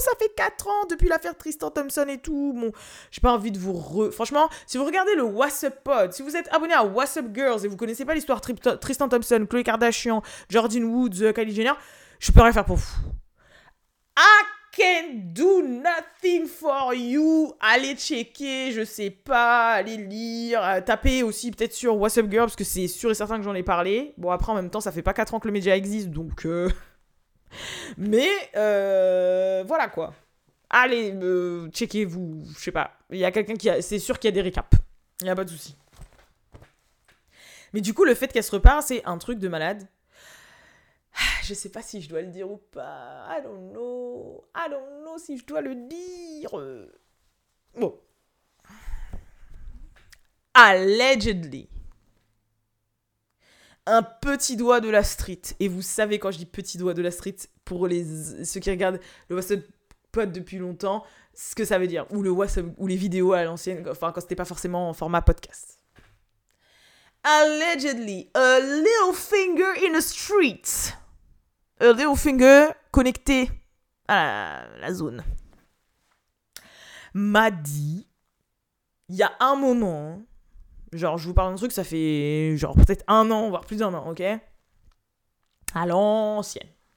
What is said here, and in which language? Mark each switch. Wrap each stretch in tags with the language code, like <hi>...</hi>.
<fr>Ça fait 4 ans depuis l'affaire Tristan Thompson et tout. Bon, j'ai pas envie de vous re... Franchement, si vous regardez le What's Up Pod, si vous êtes abonné à What's Up Girls et vous connaissez pas l'histoire Tristan Thompson, Khloé Kardashian, Jordyn Woods, Kylie Jenner, je peux rien faire pour vous.</fr> <en>Ah, can do nothing for you.</en> <fr>Allez checker, je sais pas, allez lire, tapez aussi peut-être sur What's Up Girl, parce que c'est sûr et certain que j'en ai parlé. Bon, après, en même temps, ça fait pas 4 ans que le média existe, donc... voilà quoi. Allez, checkez-vous, je sais pas. Il y a quelqu'un qui a... C'est sûr qu'il y a des récaps. Il y a pas de souci. Mais du coup, le fait qu'elle se repart, c'est un truc de malade. Je sais pas si je dois le dire ou pas.</fr> <en>I don't know</en> <fr>si je dois le dire. Bon.</fr> <en>Allegedly.</en> <fr>Un petit doigt de la street. Et vous savez, quand je dis petit doigt de la street, pour les ceux qui regardent le What's Up Pod depuis longtemps, ce que ça veut dire. Ou le What's Up, ou les vidéos à l'ancienne, enfin quand c'était pas forcément en format podcast.</fr> <en>Allegedly, a little finger in the street. A little finger</en> <fr>connecté à la zone. M'a dit, il y a un moment, genre je vous parle d'un truc, ça fait genre peut-être un an, voire plus d'un an, ok? À l'ancienne.</fr>